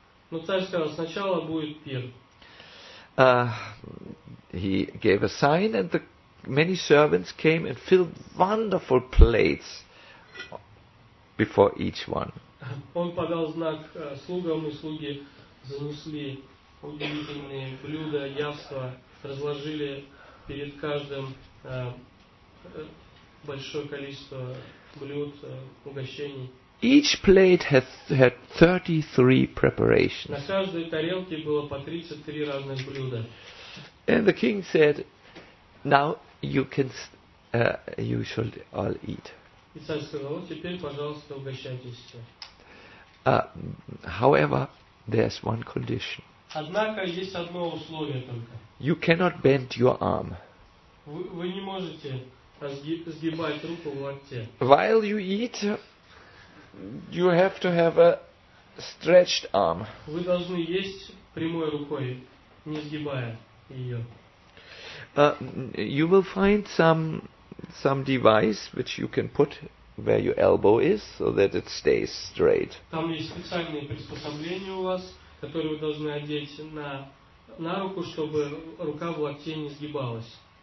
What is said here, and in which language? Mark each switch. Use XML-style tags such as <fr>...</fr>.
<ru>Но царь сказал, сначала будет пир.</ru> <en>He gave a sign, and the many servants came and filled wonderful plates before each one.</en> <ru>Он подал знак слугам, и слуги занесли удивительные блюда, яства, разложили перед каждым большое количество блюд, угощений.</ru> <en>Each plate had 33 preparations.</en> <ru>На каждой тарелке было по 33 разных блюда.</ru> <en>And the king said, "Now you can, you should all eat."</en> <ru>И царь сказал, теперь, пожалуйста, угощайтесь все.</ru> <en>However, there's one condition.</en> <ru>Однако есть одно условие только.</ru> <en>You cannot bend your arm.</en> <ru>Вы не можете сгибать руку в локте.</ru> <en>While you eat, you have to have a stretched arm.</en> <ru>Вы должны есть прямой рукой, не сгибая ее.</ru> <en>You will find some device which you can put where your elbow is, so that it stays straight.</en> <ru>Там есть специальные приспособления у вас, которые вы должны одеть на руку, чтобы рука в локте не сгибалась.</ru>